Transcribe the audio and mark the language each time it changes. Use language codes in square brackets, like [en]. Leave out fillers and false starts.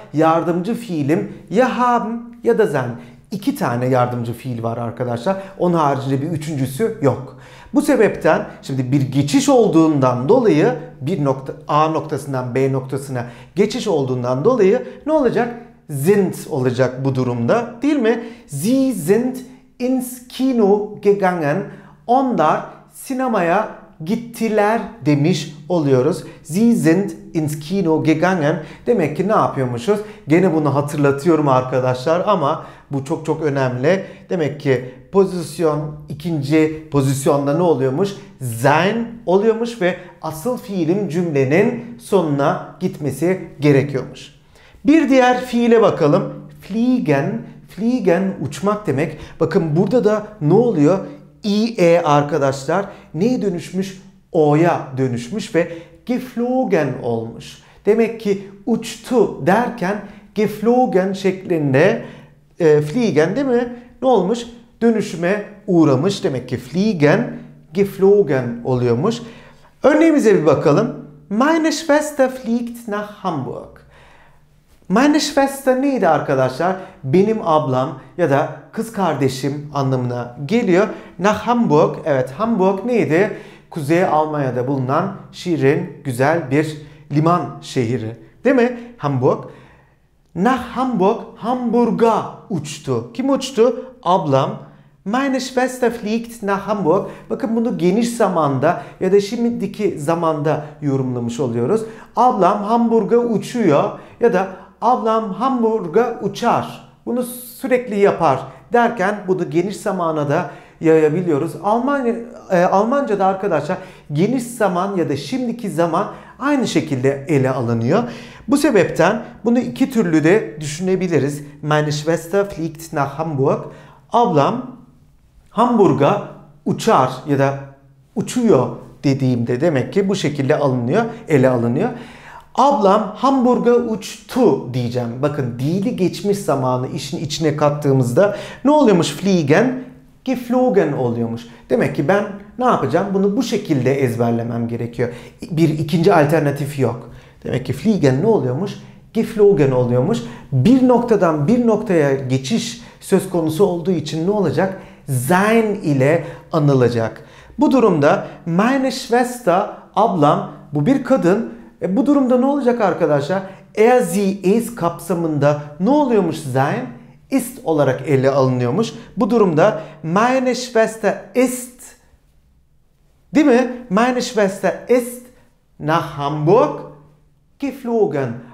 [tr] Yardımcı fiilim ya haben ya da sein. İki tane yardımcı fiil var arkadaşlar. Onun haricinde bir üçüncüsü yok. Bu sebepten şimdi bir geçiş olduğundan dolayı bir nokta A noktasından B noktasına geçiş olduğundan dolayı ne olacak? Sind olacak bu durumda, değil mi? [de] Sie sind ins Kino gegangen. [tr] Onlar sinemaya gittiler demiş oluyoruz. [de] Sie sind ins Kino gegangen. [tr] Demek ki ne yapıyormuşuz? Gene bunu hatırlatıyorum arkadaşlar ama bu çok çok önemli. Demek ki pozisyon ikinci pozisyonda ne oluyormuş? Sein oluyormuş ve asıl fiilin cümlenin sonuna gitmesi gerekiyormuş. Bir diğer fiile bakalım. Fliegen. Fliegen uçmak demek. Bakın burada da ne oluyor? IE arkadaşlar neye dönüşmüş? O'ya dönüşmüş ve geflogen olmuş. Demek ki uçtu derken geflogen şeklinde fliegen değil mi? Ne olmuş? Dönüşüme uğramış. Demek ki fliegen geflogen oluyormuş. Örneğimize bir bakalım. [de] Meine Schwester fliegt nach Hamburg. Meine Schwester [tr] neydi arkadaşlar? Benim ablam ya da kız kardeşim anlamına geliyor. [de] Nach Hamburg, [tr] evet Hamburg neydi? Kuzey Almanya'da bulunan şirin, güzel bir liman şehri. Değil mi Hamburg? [de] Nach Hamburg, [tr] Hamburg'a uçtu. Kim uçtu? Ablam. [de] Meine Schwester fliegt nach Hamburg. [tr] Bakın bunu geniş zamanda ya da şimdiki zamanda yorumlamış oluyoruz. Ablam Hamburg'a uçuyor ya da ablam Hamburg'a uçar. Bunu sürekli yapar derken bunu geniş zamana da yayabiliyoruz. Almanca'da arkadaşlar geniş zaman ya da şimdiki zaman aynı şekilde ele alınıyor. Bu sebepten bunu iki türlü de düşünebiliriz. [de] Meine Schwester fliegt nach Hamburg. [tr] Ablam Hamburg'a uçar ya da uçuyor dediğimde demek ki bu şekilde alınıyor, ele alınıyor. Ablam Hamburg'a uçtu diyeceğim. Bakın dili geçmiş zamanı işin içine kattığımızda ne oluyormuş fliegen? Geflogen oluyormuş. Demek ki ben ne yapacağım? Bunu bu şekilde ezberlemem gerekiyor. Bir ikinci alternatif yok. Demek ki fliegen ne oluyormuş? Geflogen oluyormuş. Bir noktadan bir noktaya geçiş söz konusu olduğu için ne olacak? Sein ile anılacak. Bu durumda [de] meine Schwester, [tr] ablam, bu bir kadın. Bu durumda ne olacak arkadaşlar? Er, sie, es kapsamında ne oluyormuş sein? Ist olarak ele alınıyormuş. Bu durumda [de] meine Schwester ist, [tr] değil mi? [de] Meine Schwester ist nach Hamburg geflogen.